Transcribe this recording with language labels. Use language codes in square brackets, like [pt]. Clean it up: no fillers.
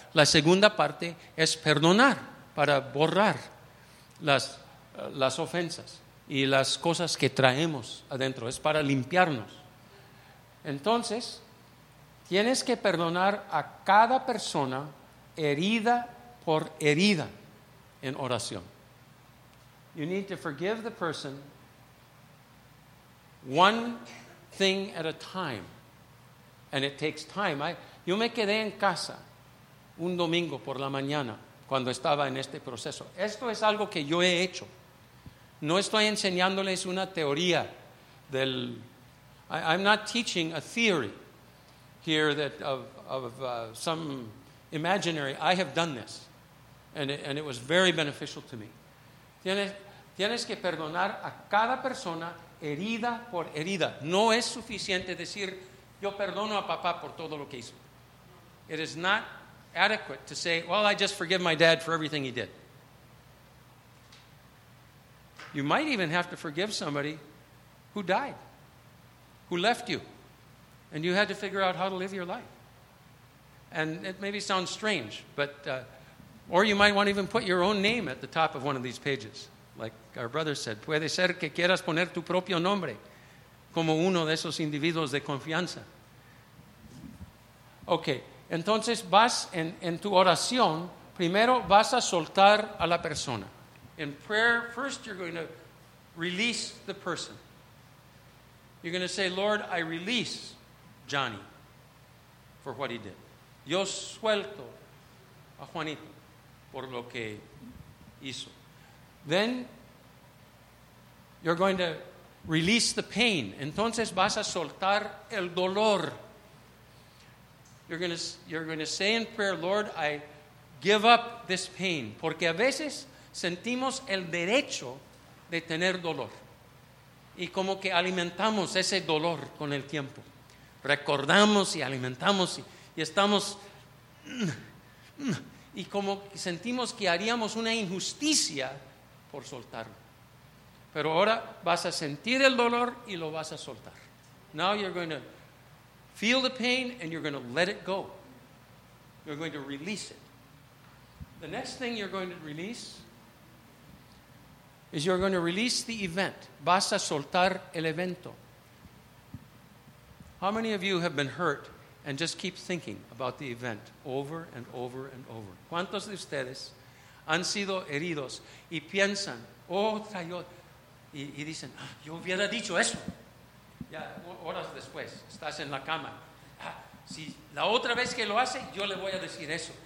[es] La segunda parte es perdonar para borrar las ofensas y las cosas que traemos adentro. Es para limpiarnos. Entonces, tienes que perdonar a cada persona herida por herida en oración. [en] You need to forgive the person one thing at a time. And it takes time. [es] Yo me quedé en casa un domingo por la mañana cuando estaba en este proceso. Esto es algo que yo he hecho. No estoy enseñándoles una teoría del... [en] I'm not teaching a theory here that of some imaginary. I have done this. And it was very beneficial to me. [es] Tienes que perdonar a cada persona herida por herida. No es suficiente decir, yo perdono a papá por todo lo que hizo. [en] It is not adequate to say, well, I just forgive my dad for everything he did. You might even have to forgive somebody who died, who left you, and you had to figure out how to live your life. And it maybe sounds strange, but or you might want to even put your own name at the top of one of these pages. Like our brother said, [es] puede ser que quieras poner tu propio nombre como uno de esos individuos de confianza. Okay, Entonces vas en tu oración, primero vas a soltar a la persona. [en] In prayer, first you're going to release the person. You're going to say, Lord, I release Johnny for what he did. [es] Yo suelto a Juanito por lo que hizo. [en] Then you're going to release the pain. [es] Entonces vas a soltar el dolor. [en] You're going to say in prayer, Lord, I give up this pain. [es] Porque a veces sentimos el derecho de tener dolor. Y como que alimentamos ese dolor con el tiempo. Recordamos y alimentamos y estamos... Y como sentimos que haríamos una injusticia por soltarlo. Pero ahora vas a sentir el dolor y lo vas a soltar. [en] Now you're going to feel the pain and you're going to let it go. You're going to release it. The next thing you're going to release is you're going to release the event. [es] Vas a soltar el evento. [en] How many of you have been hurt and just keep thinking about the event over and over and over? [es] ¿Cuántos de ustedes han sido heridos y piensan, otra y otra? Y dicen, ah, yo hubiera dicho eso. Ya, horas después, estás en la cama. Ah, si la otra vez que lo hace, yo le voy a decir eso.